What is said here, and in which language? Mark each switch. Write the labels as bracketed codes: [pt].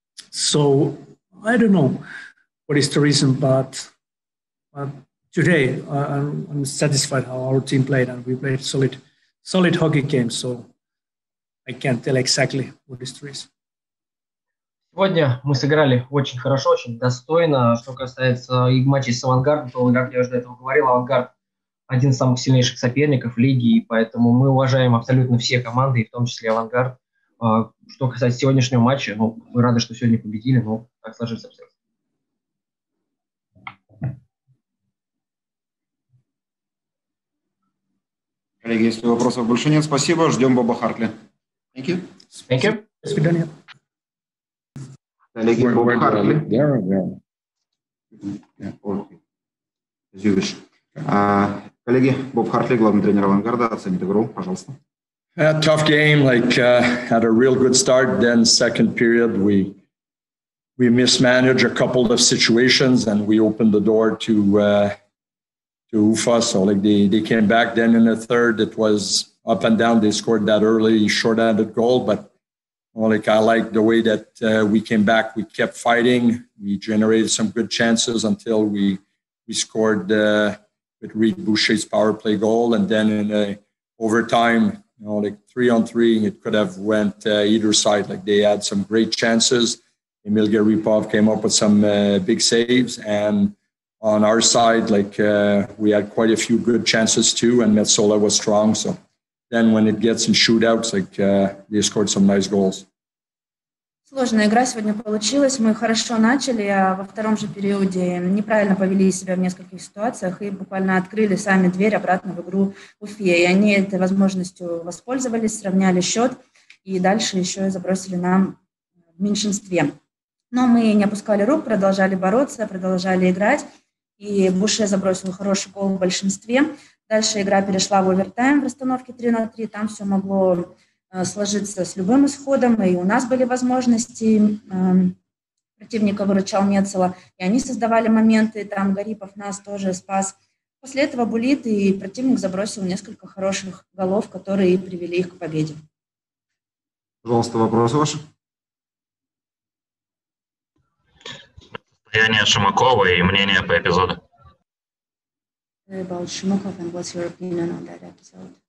[en] So I don't know. What is the reason? But today I'm satisfied how our team played, and we played solid hockey game. So I can't tell exactly what is the reason. [ru] Сегодня мы сыграли очень хорошо, очень достойно. Что касается и матча с «Авангардом», то, как я уже до этого говорил, «Авангард» один из самых сильнейших соперников лиги, и поэтому мы уважаем абсолютно все команды, и в том числе «Авангард». Что касается сегодняшнего матча, ну, мы рады, что сегодня победили, но так сложилось абсолютно. Коллеги, если вопросов больше нет, спасибо. Ждем Боба Хартли. [en] Thank you. Thank you. [ru] До свидания. Коллеги, Боба Хартли. [en] Yeah. Okay. As you [ru] коллеги, Боб Хартли, главный тренер «Авангарда», оценит игру, пожалуйста. [en] Tough game, had a real good start, then second period we mismanaged a couple of situations and we opened the door to Ufa, so they came back. Then in the third, it was up and down. They scored that early shorthanded goal, but I like the way that we came back. We kept fighting. We generated some good chances until we scored with Reed Boucher's power play goal. And then in overtime, 3-on-3, it could have went either side. They had some great chances. Emil Garipov came up with some big saves, and on our side, we had quite a few good chances too, and Metsola was strong. So then when it gets in shootouts, they scored some nice goals. [ru] Сложная игра сегодня получилась. Мы хорошо начали, а во втором же периоде неправильно повели себя в нескольких ситуациях и буквально открыли сами дверь обратно в игру Уфе. И они этой возможностью воспользовались, сравняли счет и дальше еще и забросили нам в меньшинстве. Но мы не опускали рук, продолжали бороться, продолжали играть. И Буше забросил хороший гол в большинстве. Дальше игра перешла в овертайм в расстановке 3-3. Там все могло сложиться с любым исходом. И у нас были возможности. Противника выручал Мецела. И они создавали моменты. Там Гарипов нас тоже спас. После этого Булит и противник забросил несколько хороших голов, которые и привели их к победе. Пожалуйста, вопросы ваши. Состояние Шумакова и мнение по эпизоду. [en] About Shumakov and what's your opinion on that episode?